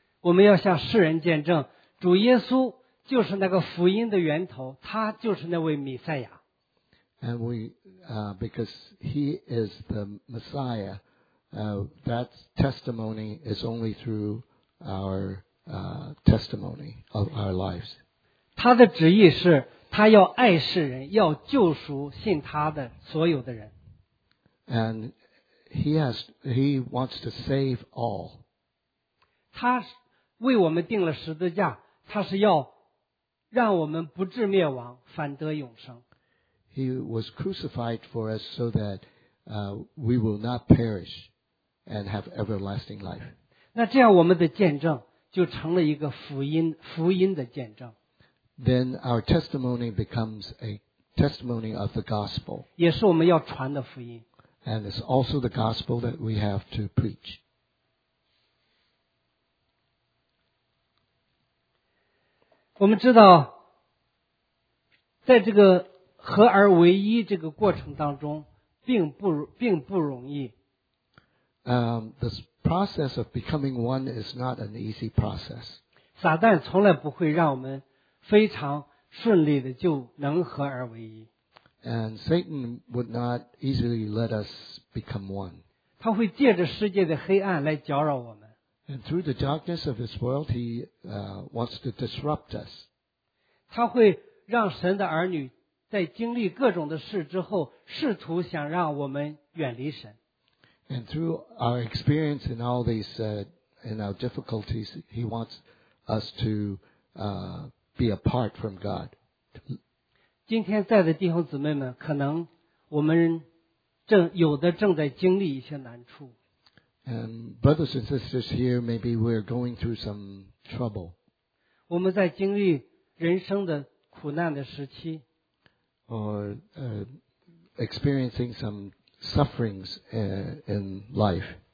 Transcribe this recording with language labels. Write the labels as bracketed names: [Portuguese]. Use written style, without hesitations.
[Chinese] 我们要向世人见证，主耶稣就是那个福音的源头，他就是那位弥赛亚。 [English] And because he is the Messiah, that testimony is only through our testimony of our lives. [Chinese] 他的旨意是，他要爱世人，要救赎信他的所有的人。 [English] And he wants to save all. [Chinese] 他为我们定了十字架，他是要让我们不至灭亡，反得永生。 [English] He was crucified for us so that we will not perish and have everlasting life. [Chinese] 那这样我们的见证就成了一个福音的见证。 [English] Then our testimony becomes a testimony of the gospel. [Chinese] 也是我们要传的福音。 [English] And it's also the gospel that we have to preach. [Chinese] 我们知道，在这个合而为一这个过程当中并不容易。 [English] This process of becoming one is not an easy process. [Chinese] 撒旦从来不会让我们非常顺利的就能合而为一。 [English] And Satan would not easily let us become one. [Chinese] 他会借着世界的黑暗来搅扰我们。 [English] And through the darkness of this world, he wants to disrupt us. [Chinese] 他会让神的儿女在经历各种的事之后，试图想让我们远离神。 [English] And through our experience in all these, in our difficulties, he wants us to be apart from God. [Chinese] 今天在的弟兄姊妹们，可能我们有的正在经历一些难处。 [English] And brothers and sisters here, maybe we're going through some trouble. [Chinese] 我们在经历人生的苦难的时期。 [English] Or experiencing some sufferings in life.